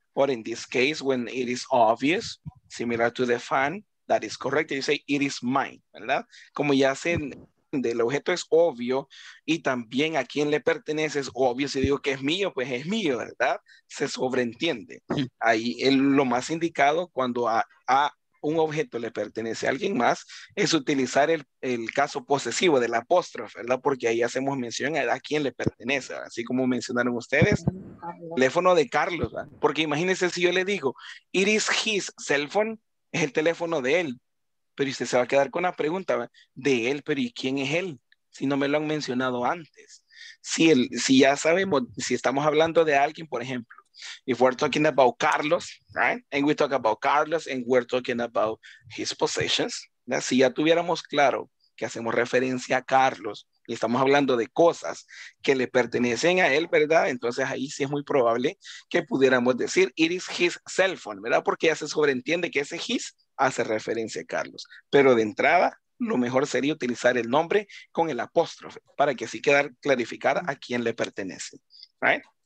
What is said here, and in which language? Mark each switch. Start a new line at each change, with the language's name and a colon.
English: Or in this case, when it is obvious, similar to the fan, that is correct. You say, it is mine,
Spanish: ¿verdad? Como ya se entiende, el objeto es obvio y también a quién le pertenece es obvio. Si digo que es mío, pues es mío, ¿verdad? Se sobreentiende. Ahí es lo más indicado cuando a un objeto le pertenece a alguien más es utilizar el caso posesivo del apóstrofe, ¿verdad? Porque ahí hacemos mención a quién le pertenece, ¿verdad? Así como mencionaron ustedes, teléfono de Carlos, ¿verdad? Porque imagínense si yo le digo,
English: it is his cell phone,
Spanish: es el teléfono de él, pero usted se va a quedar con la pregunta, ¿verdad? De él, pero ¿y quién es él? Si no me lo han mencionado antes, si ya sabemos, si estamos hablando de alguien, por ejemplo,
English: if we're talking about Carlos, right? And we talk about Carlos and we're talking about his possessions.
Spanish: ¿Verdad? Si ya tuviéramos claro que hacemos referencia a Carlos y estamos hablando de cosas que le pertenecen a él, ¿verdad? Entonces ahí sí es muy probable que pudiéramos decir
English: it is his cell phone,
Spanish: ¿verdad? Porque ya se sobreentiende que ese his hace referencia a Carlos. Pero de entrada, lo mejor sería utilizar el nombre con el apóstrofe para que así quedar clarificar a quién le pertenece,
English: right?